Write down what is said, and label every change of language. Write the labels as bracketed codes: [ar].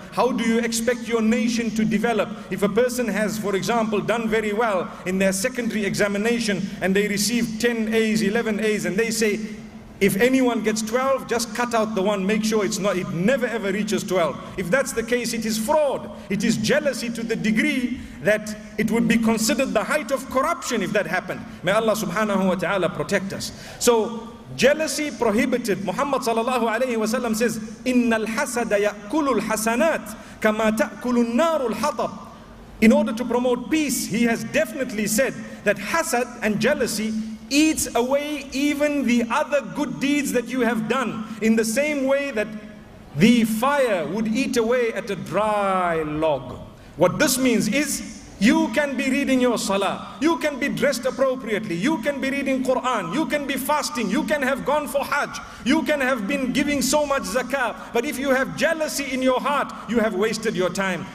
[en] How do you expect your nation to develop? If a person has, for example, done very well in their secondary examination and they receive 10 A's, 11 A's, and they say, if anyone gets 12, just cut out the one, make sure it's not, it never ever reaches 12. If that's the case, it is fraud. It is jealousy to the degree that it would be considered the height of corruption if that happened. May Allah subhanahu wa ta'ala protect us. So, jealousy prohibited. Muhammad sallallahu alayhi wa sallam says, [ar] إِنَّ الْحَسَدَ يَأْكُلُ الْحَسَنَاتِ كَمَا تَأْكُلُ النَّارُ الْحَطَبِ. [en] In order to promote peace, he has definitely said that hasad and jealousy eats away even the other good deeds that you have done, in the same way that the fire would eat away at a dry log. What this means is, you can be reading your salah, you can be dressed appropriately, you can be reading Quran, you can be fasting, you can have gone for Hajj, you can have been giving so much zakah, but if you have jealousy in your heart, you have wasted your time.